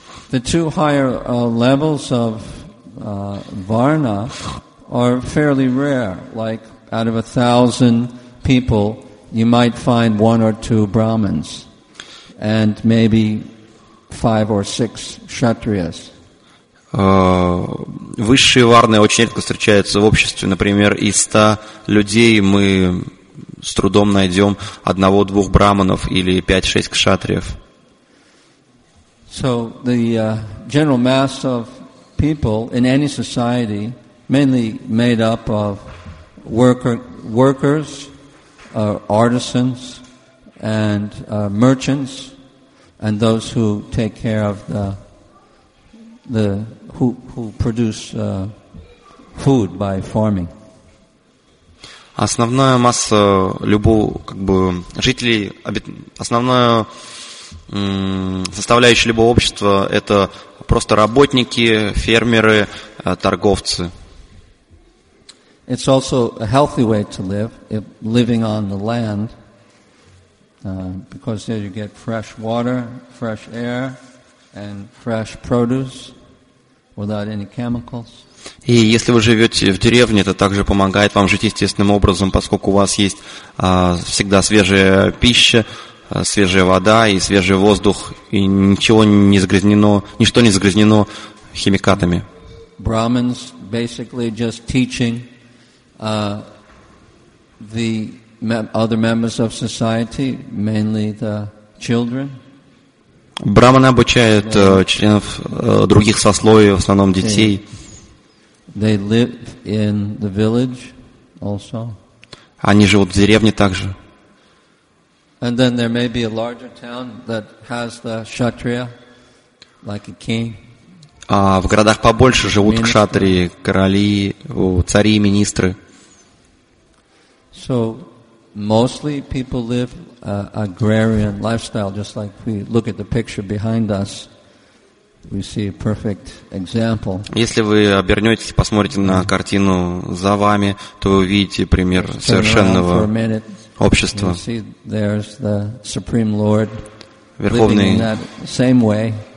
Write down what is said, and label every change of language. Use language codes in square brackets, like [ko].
[en] The two higher levels of varna are fairly rare, like out of 1,000 people you might find one or two Brahmins and maybe 5 or 6 Kshatriyas. [ru] Высшие варны очень редко встречаются в обществе. Например, из 100 людей мы с трудом найдем 1-2 Брахманов или 5-6 Кшатриев. [en] So the general mass of people in any society, mainly made up of workers, artisans and merchants and those who take care of who produce food by farming. [ru] Основная масса любого жителей, основная составляющая любого общества это просто работники, фермеры, торговцы. [en] It's also a healthy way to live, living on the land, because there you get fresh water, fresh air, and fresh produce without any chemicals. [ru] И если вы живете в деревне, это также помогает вам жить естественным образом, поскольку у вас есть всегда свежая пища, свежая вода и свежий воздух, и ничего не загрязнено, ничто не загрязнено химикатами. [en] Brahmins basically just teaching the other members of society, mainly the children. [ru] Брахманы обучают членов других сословий, в основном детей. [en] They live in the village also. [ru] Они живут в деревне также. [en] And then there may be a larger town that has the kshatriya. like a king. [ru] А в городах побольше живут кшатрии, короли, цари, министры. [en] So mostly people live an agrarian lifestyle, just like we look at the picture behind us. We see a perfect example. [ru] Если вы обернетесь и посмотрите на картину за вами, то вы увидите пример совершенного общества. [en] You see, there's the Supreme Lord living in that same way.